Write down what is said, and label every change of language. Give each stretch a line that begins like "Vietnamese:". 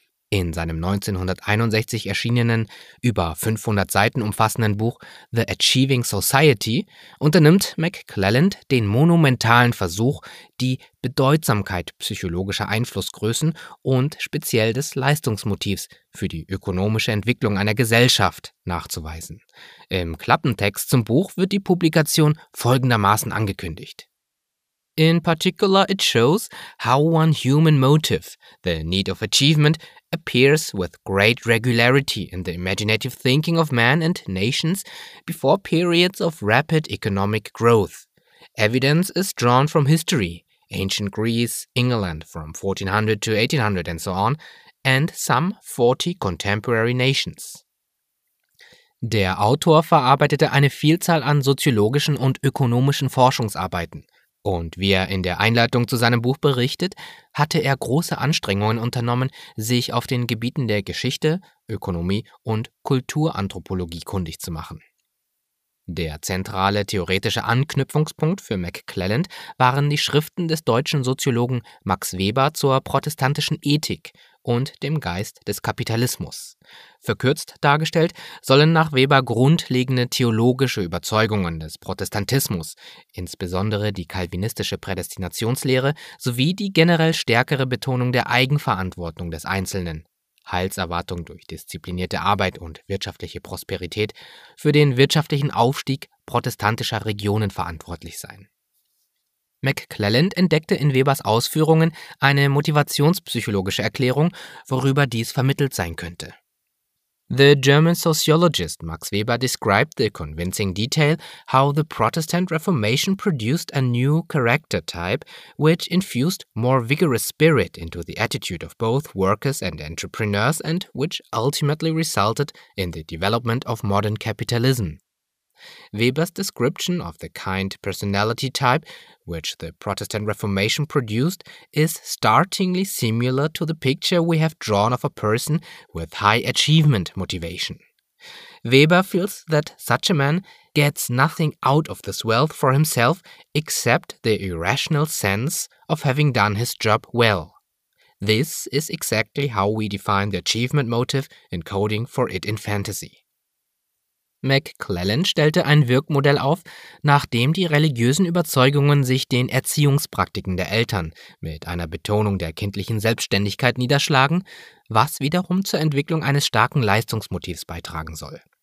German: In seinem 1961 erschienenen, über 500 Seiten umfassenden Buch The Achieving Society unternimmt McClelland den monumentalen Versuch, die Bedeutsamkeit psychologischer Einflussgrößen und speziell des Leistungsmotivs für die ökonomische Entwicklung einer Gesellschaft nachzuweisen. Im Klappentext zum Buch wird die Publikation folgendermaßen angekündigt.
English: In particular, it shows how one human motive, the need of achievement, appears with great regularity in the imaginative thinking of men and nations before periods of rapid economic growth. Evidence is drawn from history, ancient Greece, England from 1400 to 1800 and so on, and some 40 contemporary nations.
German: Der Autor verarbeitete eine Vielzahl an soziologischen und ökonomischen Forschungsarbeiten. Und wie er in der Einleitung zu seinem Buch berichtet, hatte er große Anstrengungen unternommen, sich auf den Gebieten der Geschichte, Ökonomie und Kulturanthropologie kundig zu machen. Der zentrale theoretische Anknüpfungspunkt für McClelland waren die Schriften des deutschen Soziologen Max Weber zur protestantischen Ethik und dem Geist des Kapitalismus. Verkürzt dargestellt sollen nach Weber grundlegende theologische Überzeugungen des Protestantismus, insbesondere die calvinistische Prädestinationslehre sowie die generell stärkere Betonung der Eigenverantwortung des Einzelnen, Heilserwartung durch disziplinierte Arbeit und wirtschaftliche Prosperität, für den wirtschaftlichen Aufstieg protestantischer Regionen verantwortlich sein. McClelland entdeckte in Webers Ausführungen eine motivationspsychologische Erklärung, worüber dies vermittelt sein könnte.
English: The German sociologist Max Weber described in convincing detail how the Protestant Reformation produced a new character type which infused more vigorous spirit into the attitude of both workers and entrepreneurs and which ultimately resulted in the development of modern capitalism. Weber's description of the kind personality type which the Protestant Reformation produced is startlingly similar to the picture we have drawn of a person with high achievement motivation. Weber feels that such a man gets nothing out of this wealth for himself except the irrational sense of having done his job well. This is exactly how we define the achievement motive in coding for it in fantasy.
German: McClelland stellte ein Wirkmodell auf, nachdem die religiösen Überzeugungen sich den Erziehungspraktiken der Eltern mit einer Betonung der kindlichen Selbstständigkeit niederschlagen, was wiederum zur Entwicklung eines starken Leistungsmotivs beitragen soll.